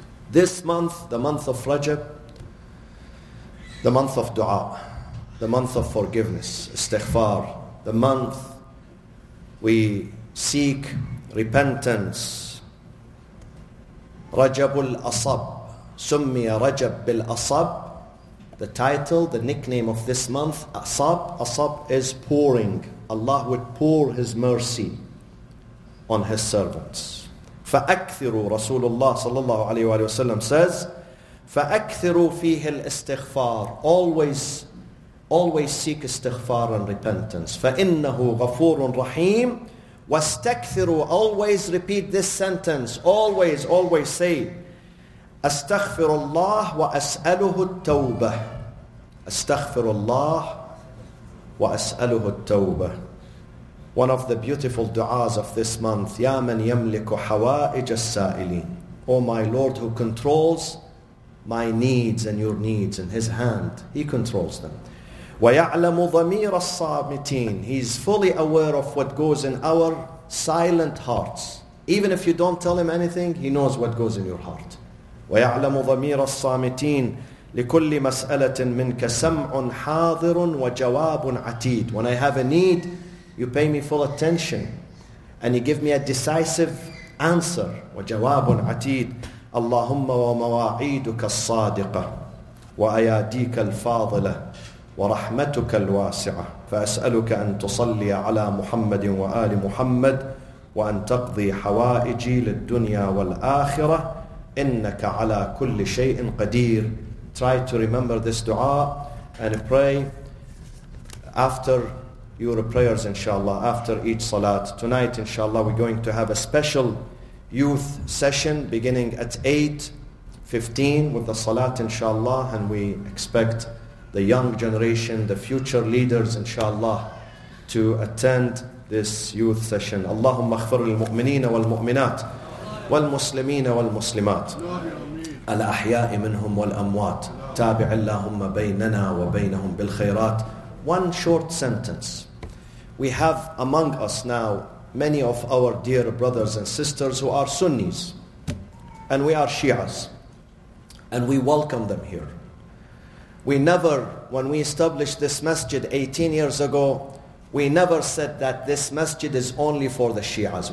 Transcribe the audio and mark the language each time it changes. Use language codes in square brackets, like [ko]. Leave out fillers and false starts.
[en] This month, the month of Rajab, the month of dua, the month of forgiveness, istighfar, the month we seek repentance. [ar] Rajab al-Asab, summiya Rajab bil-Asab, [en] the title, the nickname of this month, Asab. Asab is pouring. Allah would pour His mercy on His servants. [ar] فَأَكْثِرُوا رَسُولُ اللَّهِ صَلَى اللَّهُ عَلَيْهِ وَسَلَّمْ says, فَأَكْثِرُوا فِيهِ الْإِسْتِغْفَارِ [en] Always seek istighfar and repentance. [ar] فَإِنَّهُ غَفُورٌ رَحِيمٌ وَاسْتَكْثِرُوا [en] Always repeat this sentence. Always, always say, [ar] أستغفر الله وأسأله التوبة. أستغفر الله وأسأله التوبة. [en] One of the beautiful du'as of this month, [ar] يا من يملك حوائج السائلين. [en] Oh my Lord, who controls my needs and your needs in His hand. He controls them. [ar] ويعلم ضمير الصامتين. [en] He's fully aware of what goes in our silent hearts. Even if you don't tell Him anything, He knows what goes in your heart. [ar] ويعلم ضمير الصامتين لكل مسألة منك سمع حاضر وجواب عتيد. [en] When I have a need, you pay me full attention and you give me a decisive answer. [ar] وجواب عتيد. اللهم ومواعيدك الصادقة وأياديك الفاضلة ورحمتك الواسعة فأسألك أن تصلي على محمد وآل محمد وأن تقضي حوائجي للدنيا والآخرة إنك على كل شيء قدير. [en] Try to remember this dua and pray after your prayers, inshallah, after each salat. Tonight, inshallah, we're going to have a special youth session beginning at 8:15 with the salat, inshallah, and we expect the young generation, the future leaders, inshallah, to attend this youth session. [ar] Allahumma aghfir lil mu'minina wal mu'minat والمسلمين والمسلمات الأحياء منهم والأموات تابع اللهم بيننا وبينهم بالخيرات. [en] One short sentence. We have among us now many of our dear brothers and sisters who are Sunnis, and we are Shias, and we welcome them here. We never, when we established this masjid 18 years ago, we never said that this masjid is only for the Shias.